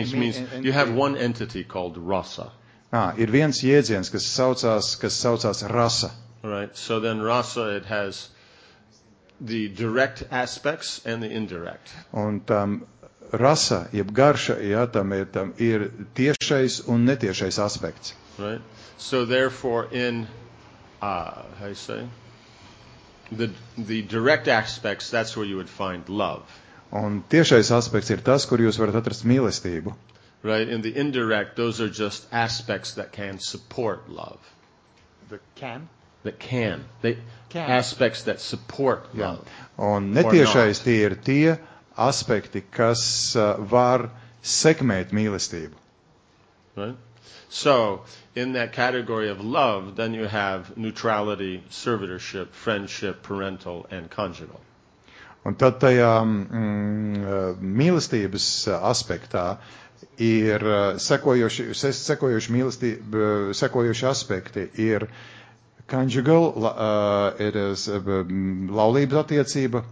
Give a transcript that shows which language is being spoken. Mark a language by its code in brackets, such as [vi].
[en] It means you have one entity called rasa. [lv] Ah, ir viens jēdziens, kas saucās rasa. [en] Right. So then rasa, it has the direct aspects and the indirect. [lv] Un tam rasa, jeb garša, ja, tam ir tiešais un netiešais aspekts. [en] Right. So therefore in how you say? The direct aspects, that's where you would find love. [lv] Un tiešais aspekts ir tas, kur jūs varat atrast mīlestību. [en] Right, in the indirect, those are just aspects that can support love. That can. Aspects that support love. Yeah. [lv] Un netiešais tie ir tie aspekti, kas var sekmēt mīlestību. [en] Right. So, in that category of love, then you have neutrality, servitorship, friendship, parental, and conjugal. [lv] Un tad tajā mīlestības aspektā ir sekojoši aspekti ir conjugal, it is laulības attiecība.